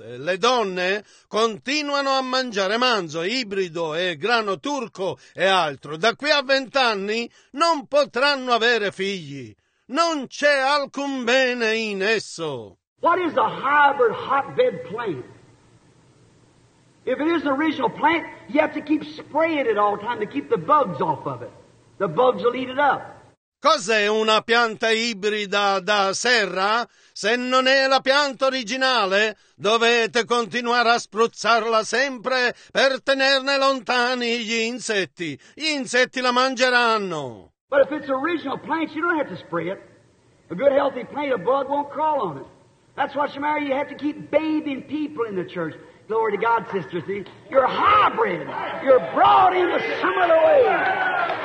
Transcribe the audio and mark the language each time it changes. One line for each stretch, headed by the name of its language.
Italian: Le donne continuano a mangiare manzo, ibrido e grano turco e altro. Da qui a 20 anni non potranno avere figli. Non c'è alcun bene in esso.
English: What is a hybrid hotbed plant? If it is an original plant, you have to keep spraying it all the time to keep the bugs off of it. The bugs will eat it up.
Italian: Cos'è una pianta ibrida da serra? Se non è la pianta originale, dovete continuare a spruzzarla sempre per tenerne lontani gli insetti. Gli insetti la mangeranno.
English: But if it's an original plant, you don't have to spray it. A good healthy plant, a bug won't crawl on it. That's why, Shemari, you have to keep bathing people in the church. Glory to God, sisters. You're hybrid. You're brought into some other way.